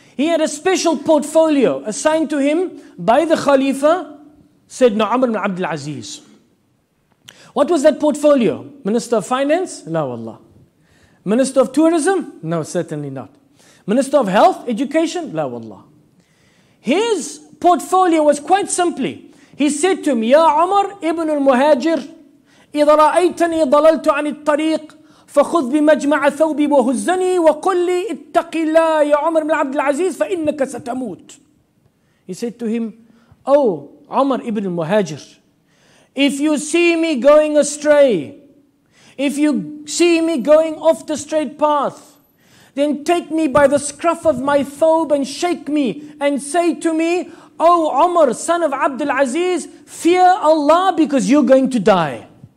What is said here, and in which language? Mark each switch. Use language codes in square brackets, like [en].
[en] He had a special portfolio assigned to him by the Khalifa, said Umar ibn Abdul Aziz. What was that portfolio? Minister of Finance? No, Allah. Minister of Tourism? No, certainly not. Minister of Health, Education? No, Allah. His portfolio was quite simply, he said to him, [ar] Ya Umar ibn al-Muhajir, إذا رأيتني ضللت عن الطريق فخذ بمجمع ثوبي وهزني وقل لي اتق الله يا عمر بن عبد العزيز فإنك ستموت. [en] He said to him, Oh Umar ibn al-Muhajir, if you see me going astray, if you see me going off the straight path, then take me by the scruff of my thobe and shake me and say to me, Oh Umar, son of Abdul Aziz, fear Allah because you're going to die.